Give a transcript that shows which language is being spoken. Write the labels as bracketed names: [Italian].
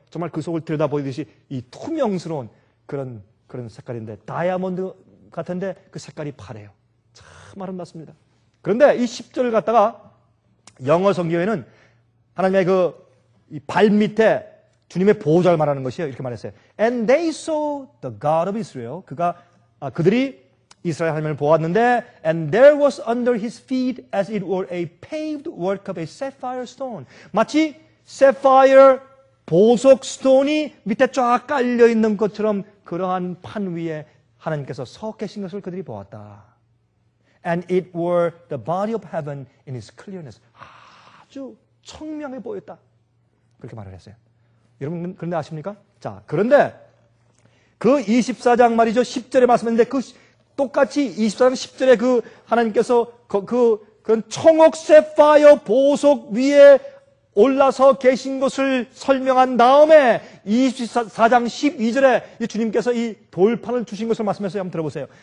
[Korean] 정말 그 속을 들여다보듯이 이 투명스러운 그런 색깔인데 다이아몬드 같은데 그 색깔이 파래요. 참 아름답습니다. 그런데 이 10절을 갖다가 영어 성경에는 하나님의 그 발 밑에 주님의 보좌를 말하는 것이에요. 이렇게 말했어요. [English] And they saw the God of Israel. [Korean] 그들이 이스라엘 하나님을 보았는데 [English] And there was under his feet as it were a paved work of a sapphire stone. [Korean] 마치 sapphire 보석 스톤이 밑에 쫙 깔려있는 것처럼 그러한 판 위에 하나님께서 서 계신 것을 그들이 보았다. [English] And it were the body of heaven in its clearness. [Korean] 아주 청명해 보였다. 그렇게 말을 했어요. 여러분 그런데 아십니까? 자, 그런데 그 24장 말이죠. 10절에 말씀했는데 그 똑같이 24장 10절에 그 하나님께서 그런 청옥 세파이어 보석 위에 올라서 계신 것을 설명한 다음에 24장 12절에 주님께서 이 돌판을 주신 것을 말씀했어요. 한번 들어보세요.